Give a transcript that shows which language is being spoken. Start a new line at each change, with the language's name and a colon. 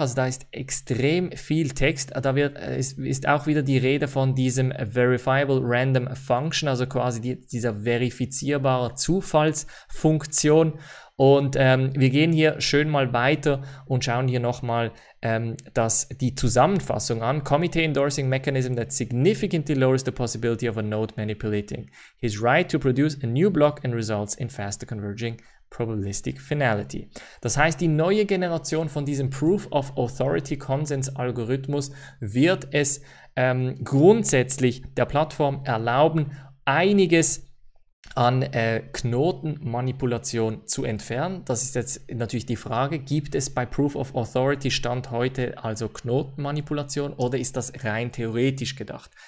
German: Also da ist extrem viel Text. Da wird, ist auch wieder die Rede von diesem verifiable random function, also quasi dieser verifizierbare Zufallsfunktion. Und wir gehen hier schön mal weiter und schauen hier nochmal die Zusammenfassung an.
English: Committee endorsing mechanism that significantly lowers the possibility of a node manipulating his right to produce a new block and results in faster converging probabilistic finality.
German: Das heißt, die neue Generation von diesem Proof of Authority Consensus Algorithmus wird es grundsätzlich der Plattform erlauben, einiges an Knotenmanipulation zu entfernen. Das ist jetzt natürlich die Frage, gibt es bei Proof of Authority Stand heute also Knotenmanipulation oder ist das rein theoretisch gedacht?